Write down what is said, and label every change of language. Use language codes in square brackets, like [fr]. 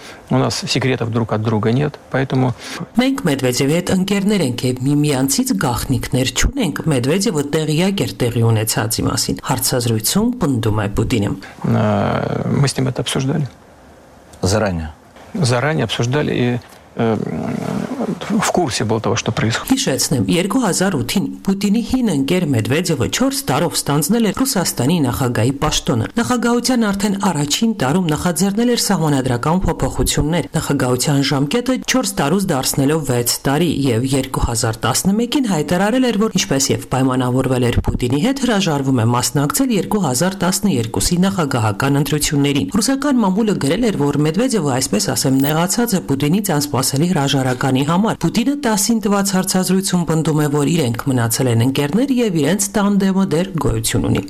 [ru] У нас секретов друг от друга нет, поэтому [hy] Մենք Մեդվեդևի հետ ընկերներ ենք եւ միմյանցից գաղտնիքներ չունենք Մեդվեդևը տեղյակ էր տեղի ունեցածի մասին, հարցազրույցում պնդում է Պուտինը։ [ru] Мы с ним это обсуждали заранее. Заранее обсуждали и в курсе был того, что происходит. [hy] Հիշեցնեմ, 2008-ին Պուտինի հին ընկեր Մեդվեդևը 4 տարով ստանձնել էր Ռուսաստանի նախագահի պաշտոնը։ Նախագահության արդեն առաջին տարում նախաձեռնել էր սահմանադրական փոփոխություններ։ Նախագահության ժամկետը 4 տարուց դարձնելով 6 տարի և 2011-ին հայտարարել էր, որ ինչպես և պայմանավորվել էր Պուտինի հետ, հրաժարվում է մասնակցել 2012-ի նախագահական ընտրություններին։ Ռուսական մամուլը գրել էր, որ Մեդվեդևը, այսպես ասեմ, նեղացած է Պուտինից անսպասելի հրաժարականի համար։ Պուտինը 10-ին տված հարցազրույցում պնդում է, որ իրենք մնացել են ընկերներ և իրենց տանդեմը դեռ գոյություն ունի։